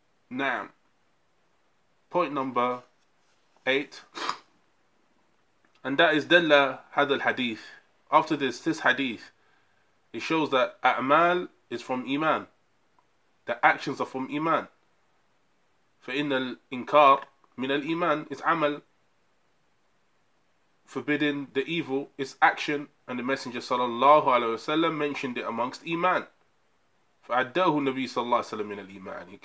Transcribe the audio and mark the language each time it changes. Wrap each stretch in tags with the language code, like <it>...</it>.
<en>Now, point number 8. And that is</en> <ar>Dalla Hadha al-Hadith.</ar> <en>After this hadith, it shows that A'mal is from Iman. The actions are from iman.</en> <ar>فإن الإنكار من الإيمان is عمل.</ar> <en>Forbidding the evil is action, and the Messenger sallallahu alaihi wasallam mentioned it amongst iman.</en> <ar>فعدّاهُ النبي صلى الله عليه وسلم من الإيمان.</ar>